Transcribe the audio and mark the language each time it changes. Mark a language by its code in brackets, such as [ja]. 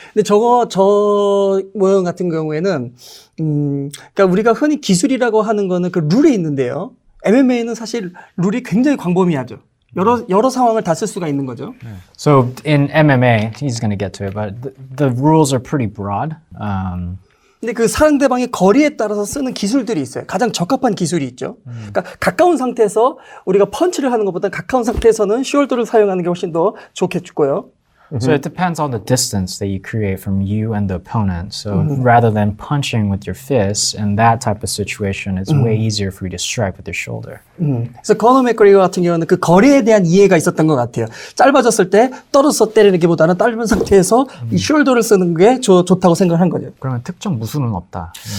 [ko] 근데 저 모형 같은 경우에는 그러니까 우리가 흔히 기술이라고 하는 거는 그 룰에 있는데요. MMA는 사실 룰이 굉장히 광범위하죠. 여러 상황을 다 쓸 수가 있는 거죠. [en] So in MMA, he's going to get to it, but the rules are pretty broad. [ko] 근데 그 상대방의 거리에 따라서 쓰는 기술들이 있어요. 가장 적합한 기술이 있죠. 그러니까 가까운 상태에서 우리가 펀치를 하는 것보다 가까운 상태에서는 숄더를 사용하는 게 훨씬 더 좋겠고요. [en] So it depends on the distance that you create from you and the opponent. So rather than punching with your fists in that type of situation, it's way easier for you to strike with your shoulder. [ko] 그래서 Conor McGregor 같은 경우는 그 거리에 대한 이해가 있었던 것 같아요. 짧아졌을 때 떨어서 때리는 게보다는 짧은 상태에서 이 숄더를 쓰는 게 좋다고 생각한 거죠. 그러면 특정 무술은 없다.